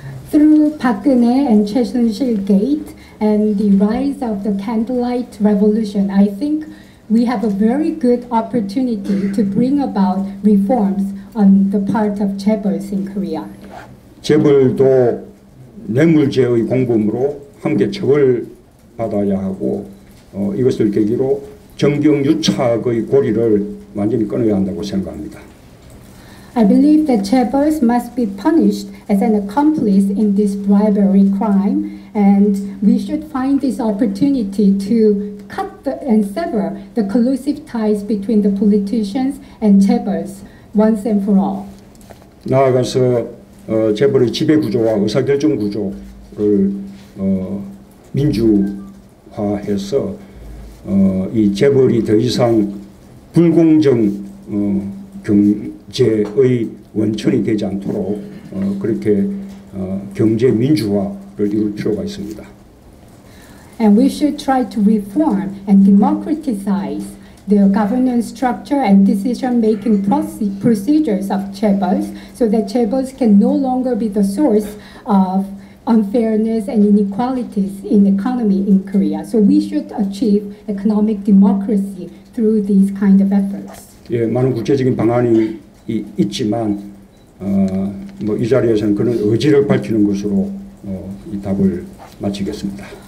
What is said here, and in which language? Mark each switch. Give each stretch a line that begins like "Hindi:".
English: Through 박근혜 and 최순실 gate and the rise of the candlelight revolution, I think we have a very good opportunity to bring about reforms on the part of 재벌s in Korea.
Korean: 재벌도 뇌물죄의 공범으로 함께 처벌받아야 하고 이것을 계기로 정경유착의 고리를 완전히 끊어야 한다고 생각합니다.
English: I believe that chaebols must be punished as an accomplice in this bribery crime, and we should find this opportunity to cut and sever the collusive ties between the politicians and chaebols once and for all.
Korean: 나아가서 재벌의 지배 구조와 의사결정 구조를 민주화해서 이 재벌이 더 이상 불공정 경제의 원천이 되지 않도록 그렇게 경제 민주화를 이룰 필요가 있습니다.
English: And we should try to reform and democratize the governance structure and decision-making procedures of chaebols so that chaebols can no longer be the source of unfairness and inequalities in economy in Korea. So we should achieve economic democracy through these kind of efforts.
Korean: 예, 많은 구체적인 방안이 있지만 이 자리에서는 그런 의지를 밝히는 것으로 이 답을 마치겠습니다.